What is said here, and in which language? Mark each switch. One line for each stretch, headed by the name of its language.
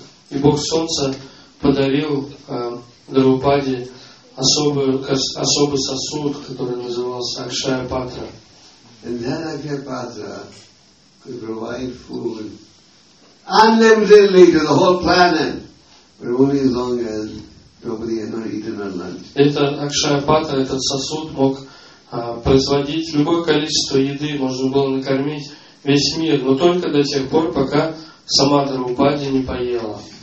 Russian: И Бог Солнца подарил Драупаде особый сосуд, который назывался Акшая Патра.
English: And that Akshaya Patra could provide food unlimitedly to the whole planet, but only as long as nobody had not eaten their lunch.
Russian: Это Акшая Патра, этот сосуд мог производить любое количество еды, можно было накормить весь мир, но только до тех пор, пока сама Драупади не поела.